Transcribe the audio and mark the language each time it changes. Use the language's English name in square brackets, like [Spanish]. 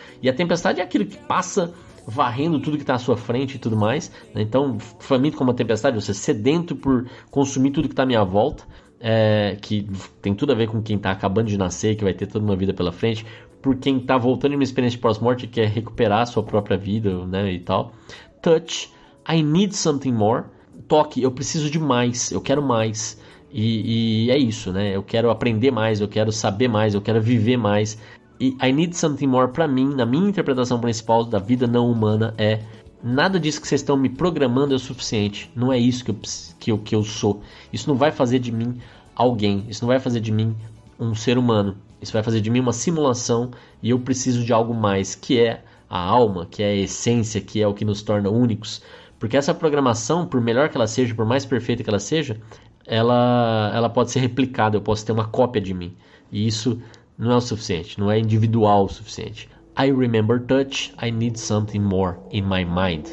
[Portuguese] E a tempestade é aquilo que passa varrendo tudo que está à sua frente e tudo mais, né? Então, faminto como uma tempestade, ou seja, sedento por consumir tudo que está à minha volta, que tem tudo a ver com quem está acabando de nascer, que vai ter toda uma vida pela frente, por quem está voltando em uma experiência de pós-morte, que é recuperar a sua própria vida, né, e tal. [English] Touch, I need something more. [Portuguese] Toque, eu preciso de mais, eu quero mais. E é isso, né? Eu quero aprender mais, eu quero saber mais, eu quero viver mais. E [English] I need something more [Portuguese] pra mim, na minha interpretação principal da vida não humana, é: nada disso que vocês estão me programando é o suficiente. Não é isso que eu sou. Isso não vai fazer de mim alguém. Isso não vai fazer de mim um ser humano. Isso vai fazer de mim uma simulação, e eu preciso de algo mais, que é a alma, que é a essência, que é o que nos torna únicos. Porque essa programação, por melhor que ela seja, por mais perfeita que ela seja, ela pode ser replicada, eu posso ter uma cópia de mim. E isso não é o suficiente, não é individual o suficiente. [English] I remember touch, I need something more in my mind.